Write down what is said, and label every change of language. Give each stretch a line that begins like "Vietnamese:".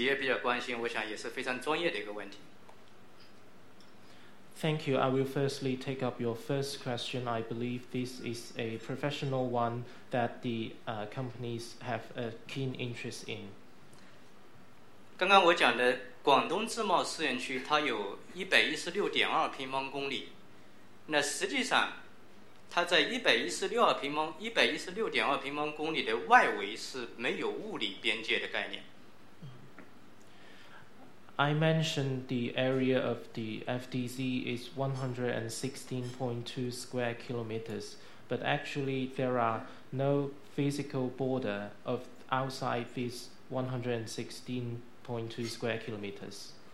Chinese: 好，我先回答您的第一个问题，我想这个问题是企业比较关心，我想也是非常专业的一个问题。
English: Thank you. I will firstly take up your first question. I believe this is a professional one that the companies have a keen interest in.
Chinese: 刚刚我讲的广东自贸试验区，它有116.2平方公里。那实际上，它在116.2平方公里的外围是没有物理边界的概念。
English: I mentioned the area of the FTC is 116.2 square kilometers, but actually there are no physical border of outside this 116.2 square kilometers.